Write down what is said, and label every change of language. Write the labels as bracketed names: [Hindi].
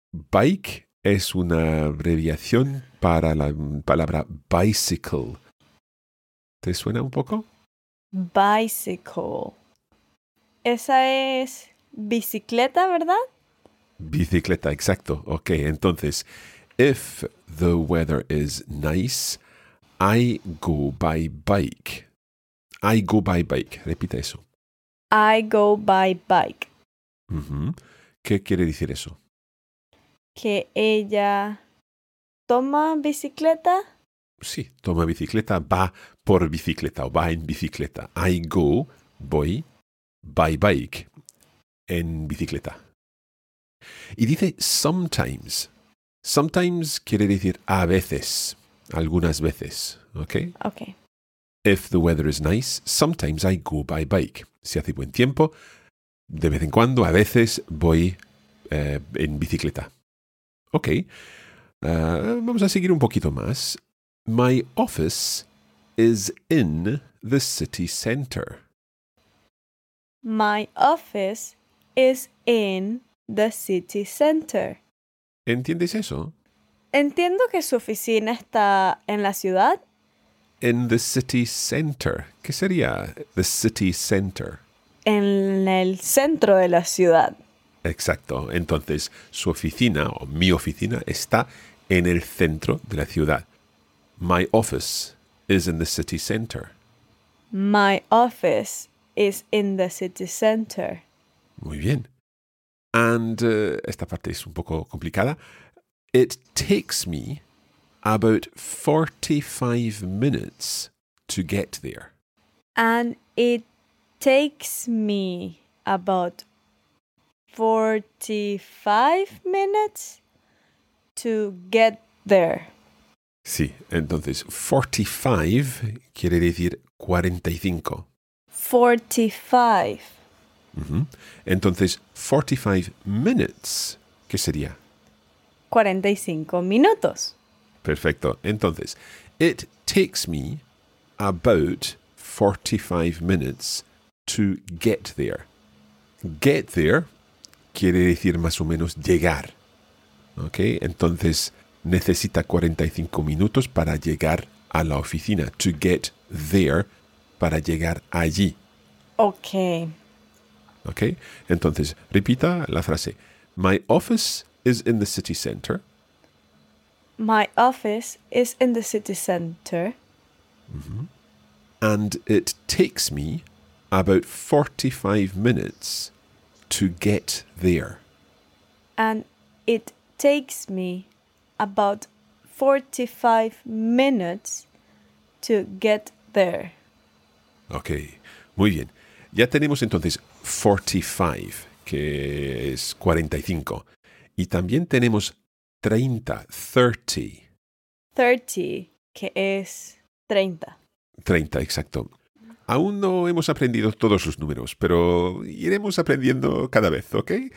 [Spanish] Bike es una abreviación para la palabra bicycle. ¿Te suena un poco? [English] Bicycle. [Spanish] Esa es bicicleta, ¿verdad? Bicicleta, exacto. Ok, entonces, [English] if the weather is nice, I go by bike. I go by bike. [Spanish] Repite eso. [English] I go by bike. [Spanish] Uh-huh. ¿Qué quiere decir eso? Que ella toma bicicleta. Sí, toma bicicleta, va por bicicleta o va en bicicleta. I go, voy, by bike, en bicicleta. Y dice sometimes. Sometimes quiere decir a veces, algunas veces, ¿ok? Ok. [English] If the weather is nice, sometimes I go by bike. [Spanish] Si hace buen tiempo, de vez en cuando, a veces, voy en bicicleta. Ok, vamos a seguir un poquito más. [English] My office is in the city center. My office is in the city center. [Spanish] ¿Entiendes eso? Entiendo que su oficina está en la ciudad. [English] In the city center. [Spanish] ¿Qué sería [English] the city center? [Spanish] en el centro de la ciudad. Exacto. Entonces, su oficina o mi oficina está en el centro de la ciudad. [English] My office is in the city center. My office is in the city center. [Spanish] Muy bien. And esta parte es un poco complicada. [English] It takes me about 45 minutes to get there. And it takes me about 45 minutes to get there. [Spanish] Sí, entonces 45 quiere decir 45. 45. Entonces, 45 minutes, ¿qué sería? 45 minutos. Perfecto. Entonces, [English] it takes me about 45 minutes to get there. Get there [Spanish] quiere decir más o menos llegar. ¿Ok? Entonces, necesita 45 minutos para llegar a la oficina. [English] To get there, [Spanish] para llegar allí. Ok. ¿Ok? Entonces, repita la frase. [English] My office is in the city center. My office is in the city center. And it takes me about 45 minutes to get there. And it takes me about 45 minutes to get there. [Spanish] Ok, muy bien. Ya tenemos entonces 45, que es 45. Y también tenemos 30, 30. 30, que es 30. 30, exacto. Aún no hemos aprendido todos los números, pero iremos aprendiendo cada vez, ¿ok?